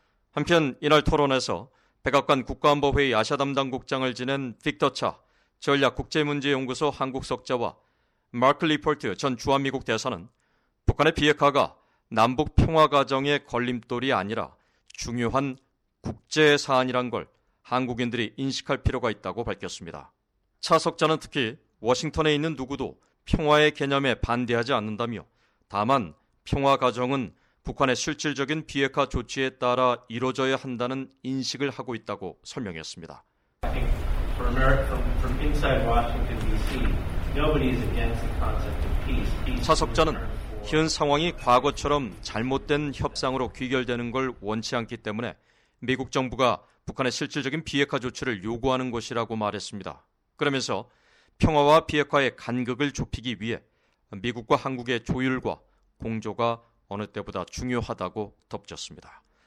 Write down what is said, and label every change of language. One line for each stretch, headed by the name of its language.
Korean: 한편 이날 토론에서 백악관 국가안보회의 아시아 담당국장을 지낸 빅터 차 전략국제문제연구소 한국석좌와 마크 리포트 전 주한미국 대사는 북한의 비핵화가 남북 평화 과정의 걸림돌이 아니라 중요한 국제 사안이란 걸 한국인들이 인식할 필요가 있다고 밝혔습니다. 차석자는 특히 워싱턴에 있는 누구도 평화의 개념에 반대하지 않는다며 다만 평화 과정은 북한의 실질적인 비핵화 조치에 따라 이루어져야 한다는 인식을 하고 있다고 설명했습니다.
English: I think for America, from inside Washington DC, nobody is against the concept of peace.
Korean: 차석자는 현 상황이 과거처럼 잘못된 협상으로 귀결되는 걸 원치 않기 때문에 미국 정부가 북한의 실질적인 비핵화 조치를 요구하는 것이라고 말했습니다. 그러면서 평화와 비핵화의 간극을 좁히기 위해 미국과 한국의 조율과 공조가 어느 때보다 중요하다고 덧붙였습니다.